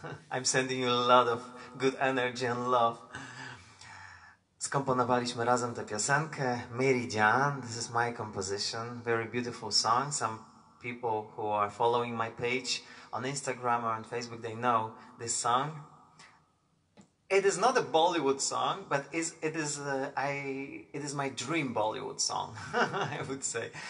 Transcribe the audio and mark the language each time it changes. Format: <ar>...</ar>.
<en>I'm sending you a lot of good energy and love.</en> <pl>Skomponowaliśmy razem tę piosenkę Meridian.</pl> <en>This is my composition. Very beautiful song. Some people who are following my page on Instagram or on Facebook, they know this song. It is not a Bollywood song, but it is my dream Bollywood song, I would say.</en>